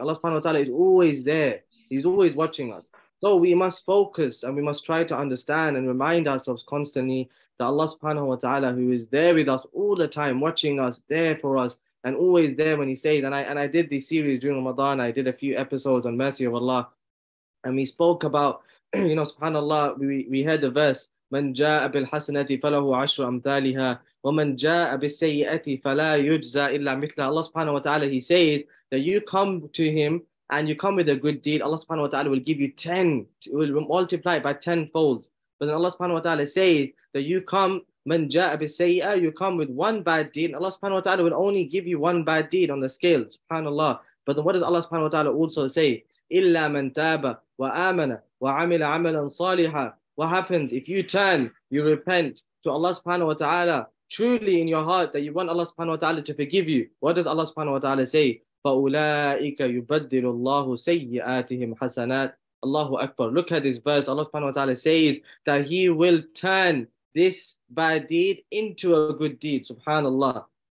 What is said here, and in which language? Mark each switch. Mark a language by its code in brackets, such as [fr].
[en] Allah subhanahu wa ta'ala is always there. He's always watching us. So we must focus and we must try to understand and remind ourselves constantly that Allah subhanahu wa ta'ala, who is there with us all the time, watching us, there for us, and always there when He stays. And I did this series during Ramadan. I did a few episodes on mercy of Allah. And we spoke about, subhanAllah, we heard the verse, [ar] مَنْ جَاءَ بِالْحَسَنَةِ فَلَهُ عَشْرُ أَمْثَالِهَا وَمَنْ جَاءَ بِالسَّيِّئَةِ فَلَا يُجْزَى إِلَّا مِثْلَهَا. [en] Allah subhanahu wa ta'ala, He says that you come to Him and you come with a good deed, Allah subhanahu wa ta'ala will give you 10, will multiply it by 10 folds. But then Allah subhanahu wa ta'ala says that you come [ar] من جاء بالسيئة, [en] you come with one bad deed. Allah subhanahu wa ta'ala will only give you one bad deed on the scale, subhanallah. But then what does Allah subhanahu wa ta'ala also say? [ar] إلا من تاب وآمن وعمل عملا صالحا. [en] What happens if you turn, you repent to Allah subhanahu wa ta'ala truly in your heart that you want Allah subhanahu wa ta'ala to forgive you? What does Allah subhanahu wa ta'ala say? [ar] فَأُولَٰئِكَ يُبَدِّلُ اللَّهُ سَيِّئَاتِهِمْ حَسَنَاتٍ. Allahu Akbar. [en] Look at this verse. Allah subhanahu wa ta'ala says that He will turn this bad deed into a good deed. Subhanallah.